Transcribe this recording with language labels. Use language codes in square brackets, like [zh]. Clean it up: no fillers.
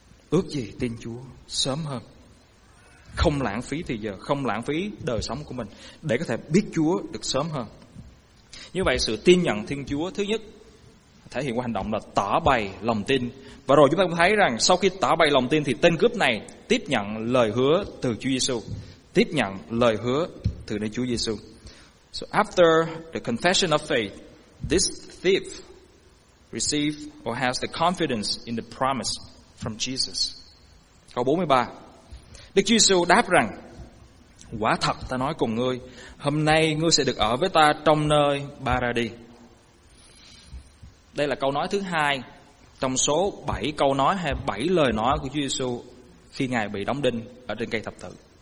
[vi] Ước gì tin Chúa sớm hơn, không lãng phí thì giờ, không lãng phí đời sống của mình để có thể biết Chúa được sớm hơn. Như vậy sự tin nhận Thiên Chúa thứ nhất thể hiện qua hành động là tỏ bày lòng tin. Và rồi chúng ta cũng thấy rằng sau khi tỏ bày lòng tin thì tên cướp này tiếp nhận lời hứa từ Chúa Giêsu, tiếp nhận lời hứa từ nơi Chúa Giêsu. [en] So after the confession of faith, this thief received or has the confidence in the promise from Jesus. [vi] Câu 43. Đức Chúa Giêsu đáp rằng: quả thật ta nói cùng ngươi, hôm nay ngươi sẽ được ở với ta trong nơi paradis. Đây là câu nói thứ hai trong số 7 câu nói hay 7 lời nói của Chúa Giêsu khi Ngài bị đóng đinh ở trên cây thập tự.